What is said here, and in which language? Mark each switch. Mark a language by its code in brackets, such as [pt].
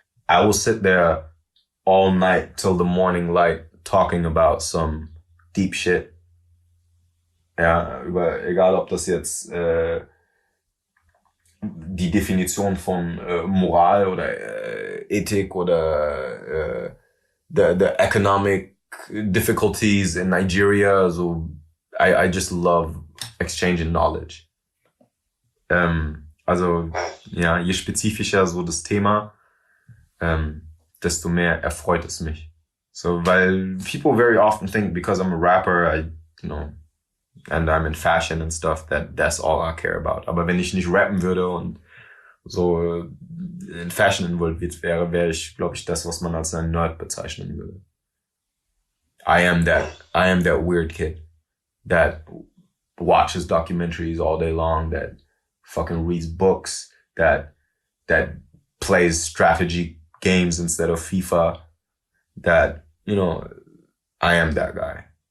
[en] I will sit there all night till the morning light talking about some deep shit. [de] Ja, egal ob das jetzt die Definition von Moral oder Ethik oder [en] the economic difficulties in Nigeria. So I just love exchanging knowledge. [de] Also, ja, je spezifischer so das Thema, desto mehr erfreut es mich. [en] So, weil people very often think, because I'm a rapper, and I'm in fashion and stuff, that that's all I care about. [de] Aber wenn ich nicht rappen würde und so in Fashion involviert wäre, wäre ich, glaube ich, das, was man als ein Nerd bezeichnen würde. [en] I am that weird kid that watches documentaries all day long, that fucking reads books, that plays strategy games instead of FIFA, that, I am that guy.